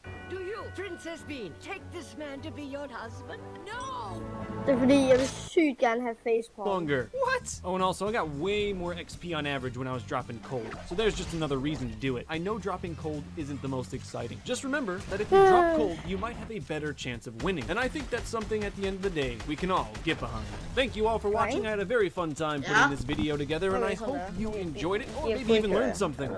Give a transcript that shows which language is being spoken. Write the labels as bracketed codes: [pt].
[en] Do you, Princess Bean, take this man to be your husband? No! [da] Det er fordi, jeg vil sygt gerne have facepalm. [en] Longer. What? Oh, and also, I got way more XP on average when I was dropping cold. So there's just another reason to do it. I know dropping cold isn't the most exciting. Just remember that if you drop cold, you might have a better chance of winning. And I think that's something at the end of the day we can all get behind. Thank you all for watching. I had a very fun time putting this video together, and I hope you enjoyed it, or maybe even learned something.